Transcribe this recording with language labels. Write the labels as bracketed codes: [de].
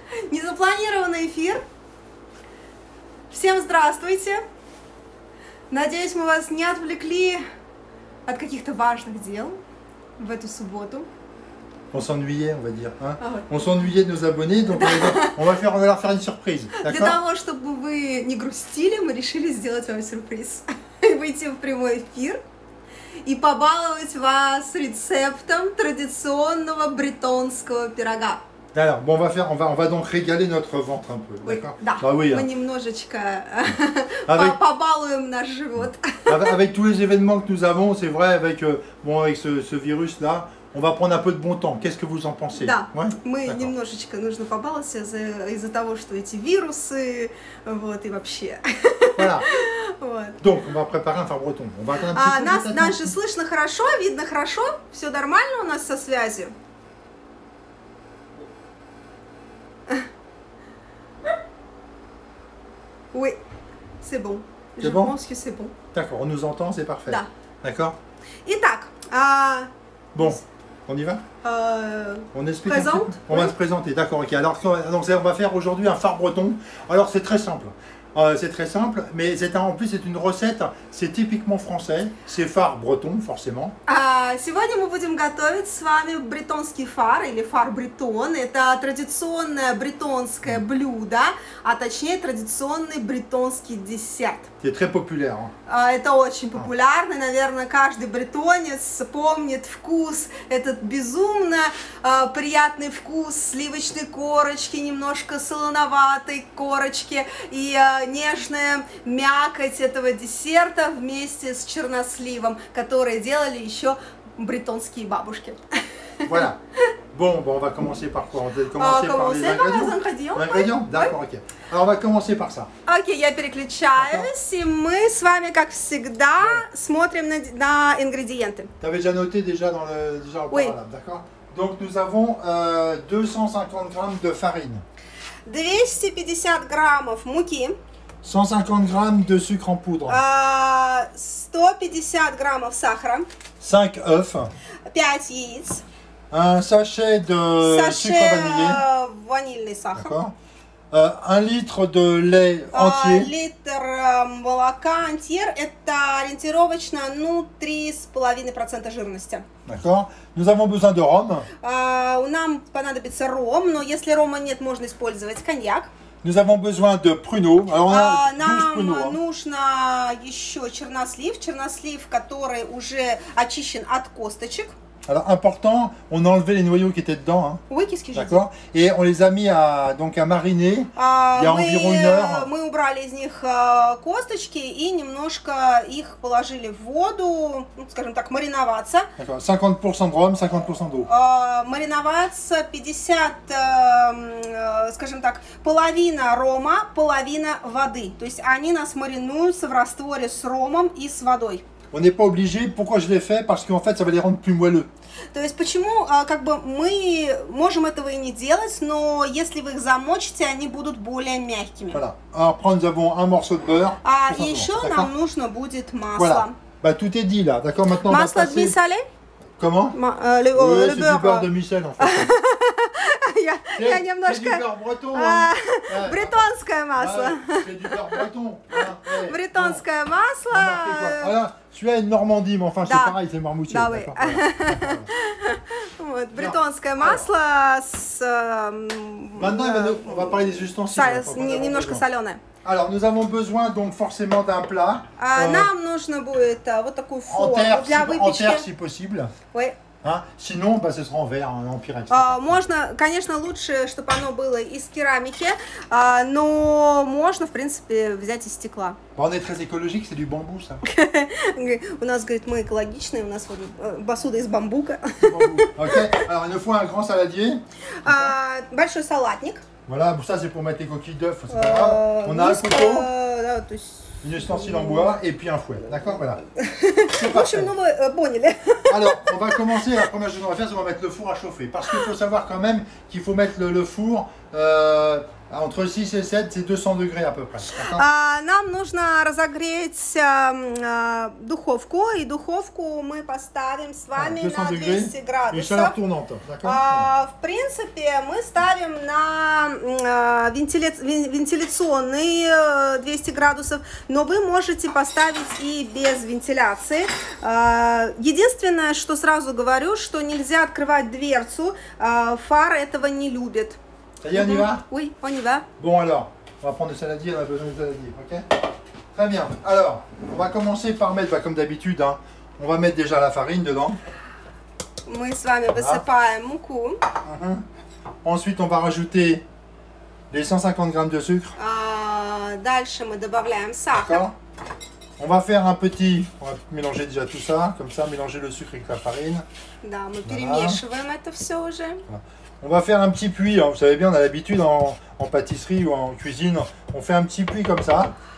[ru] Незапланированный эфир. Всем здравствуйте. Надеюсь, мы вас не отвлекли от каких-то важных дел в эту субботу. [fr] On s'ennuyait, on va dire. Hein? On s'ennuyait de nos abonnés, donc on va leur faire une surprise. [ru] Для того, чтобы вы не грустили, мы решили сделать вам сюрприз. Выйти в прямой эфир и побаловать вас рецептом традиционного бретонского пирога. [fr] D'accord. Bon, on va donc régaler notre ventre un peu, oui, d'accord? [ru] Да. [fr] Bah, oui, [ru] мы немножечко побалуем наш живот. [fr] Avec tous les événements que nous avons, c'est vrai, avec, bon, avec ce virus-là, on va prendre un peu de bon temps. Qu'est-ce que vous en pensez? [ru] Да, [fr] ouais? [ru] Мы [fr] d'accord. [ru] Немножечко нужно побаловаться из-за того, что эти вирусы, вот, и вообще. [fr] Voilà. [ru] Вот. [fr] Donc, on va préparer un fin breton. On va attendre un petit peu. [ru] Нас же слышно хорошо, видно хорошо, все нормально у нас со связью. [fr] Oui, c'est bon. C'est Je bon? Pense que c'est bon. D'accord, on nous entend, c'est parfait. [ru] Da. [fr] D'accord. [ru] Итак, [fr] bon, on y va? On explique. Présente, on va se présenter, d'accord, ok. Alors, donc, on va faire aujourd'hui un phare breton. Alors, c'est très simple. C'est très simple, mais en plus, c'est une recette, c'est typiquement français. C'est phare breton, forcément. [ru] Сегодня мы будем готовить с вами бретонский фар или фар бретон. Это традиционное бретонское блюдо, а точнее традиционный бретонский десерт. [fr] C'est très populaire. Hein? [ru] Это очень популярно. Наверное, каждый бретонец помнит вкус, этот безумно приятный вкус сливочной корочки, немножко солоноватой корочки и нежная мякоть этого десерта вместе с черносливом, который делали еще бретонские бабушки. [fr] Voilà. Bon, on va commencer par quoi? On va commencer par les ingrédients. Ingrédients? D'accord, ok. Alors, on va commencer par ça. [ru] Ok, я переключаюсь, [fr] et [ru] мы с вами, как всегда, смотрим на ингредиенты. [fr] Tu avais déjà noté déjà dans le programme, oui. D'accord? Donc, nous avons 250 g de farine. [ru] 250 граммов муки. 150 граммов [fr] de sucre en poudre. [ru] 150 граммов сахара. [fr] 5 œufs. [ru] 5 яиц. [fr] Un sachet de sachet sucre vanillé. [ru] Ванильный сахар. [fr] D'accord. Un litre de lait entier. [ru] Литр молока entier, это ориентировочно, 3,5% жирности. [fr] D'accord. Nous avons besoin de rhum. [ru] Нам понадобится ром, но если рома нет, можно использовать коньяк. [fr] Nous avons besoin de pruneaux. [ru] Alors, нам нужно еще чернослив, чернослив, который уже очищен от косточек. [fr] Alors, important, on a enlevé les noyaux qui étaient dedans. Hein. Oui, qu'est-ce que j'ai D'accord. dit? Et on les a mis à mariner il y a environ une heure. [ru] Мы убрали из них косточки и немножко их положили в воду, скажем так, мариноваться. [fr] D'accord. 50% de rhum, 50% d'eau. [ru] Мариноваться 50, скажем так, половина рома, половина воды. То есть они нас маринуются в растворе с ромом и с водой. [fr] On n'est pas obligé. Pourquoi je l'ai fait? Parce qu'en fait, ça va les rendre plus moelleux. [ru] То есть почему, как бы мы можем этого и не делать, но если вы их замочите, они будут более мягкими. [fr] Voilà. Après, nous avons un morceau de beurre. [ru] И еще нам нужно будет масло. [fr] Voilà. Bah, tout est dit là. D'accord. Maintenant, [ru] масло [fr] on va passer... demi-salé. Comment? Le c'est beurre. Du beurre de Michel, en fait. [ru] Я немножко. [fr] C'est du beurre breton. [ru] Бретонское масло. [fr] C'est du beurre breton. [ru] Бретонское масло. [fr] Celui-là est de Normandie, mais enfin, [ru] да. [fr] C'est pareil, c'est Marmoutier. [ru] Да, [fr] oui. [ru] Вот, бретонское масло с... [fr] Maintenant, on va parler des ustensiles. [ru] Немножко соленое. [fr] Alors, nous avons besoin, donc, forcément d'un plat. [ru] Нам нужно будет вот такой фор для выпечки. [fr] En terre, si possible. Oui. Hein? Sinon, bah, ce sera en verre, en pyrex. [ru] Можно, конечно, лучше, чтобы оно было из керамики, но можно, в принципе, взять из стекла. [fr] Bah, on est très écologique, c'est du bambou, ça. [ru] У нас, говорит, мы экологичные, у нас вот посуда из бамбука. [fr] Ok, alors, il nous faut un grand saladier. [ru] Большой салатник. [fr] Voilà, ça c'est pour mettre les coquilles d'œufs, c'est pas grave. On a un couteau. Une ustensile en bois et puis un fouet. D'accord, voilà. [ru] В общем, ну вы поняли. [fr] Alors, on va commencer, la première chose qu'on va faire, c'est qu'on va mettre le four à chauffer. Parce qu'il faut savoir quand même qu'il faut mettre le four entre 6 et 7, c'est 200 degrés à peu près. [ru] Нам нужно разогреть духовку, и духовку мы поставим с вами на 200 градусов. [fr] Et chaleur tournante, d'accord? [ru] В принципе, мы ставим на вентиляционный 200 градусов, но вы можете поставить и без вентиляции. Единственное, что сразу говорю, что нельзя открывать дверцу, фар этого не любит. [fr] Ça y est, on y va ? Oui, on y va. Bon alors, on va prendre des saladiers, on a besoin de saladiers, ok ? Très bien, alors, on va commencer par mettre, comme d'habitude, hein, on va mettre déjà la farine dedans. [ru] Мы с вами высыпаем муку. [fr] Ensuite, on va rajouter les 150 grammes de sucre. [ru] Дальше мы добавляем сахар. [fr] On va faire un petit, on va mélanger déjà tout ça, comme ça, mélanger le sucre avec la farine. [ru] Да, мы перемешиваем это все уже. [fr] On va faire un petit puits, hein. Vous savez bien, on a l'habitude en pâtisserie ou en cuisine, on fait un petit puits comme ça.